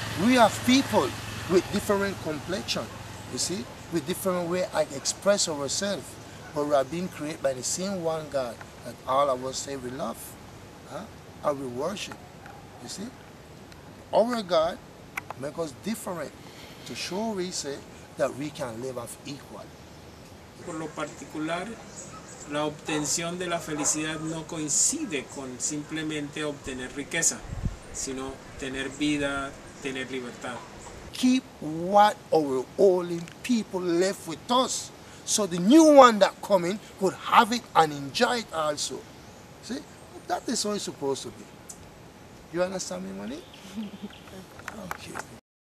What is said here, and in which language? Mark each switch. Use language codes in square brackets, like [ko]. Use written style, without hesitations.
[en] We have people with different complexion, you see, with different way I express ourselves, but we are being created by the same one God that all of us say we love, and we worship, you see. Our God make us different to show we say that we can live as equal. [es] Por lo particular, la obtención de la felicidad no coincide con simplemente obtener riqueza, sino tener vida, tener libertad. [en] Keep what our old people left with us, so the new one that coming could have it and enjoy it also. See, that is how it's supposed to be. You understand me, Monique? Okay.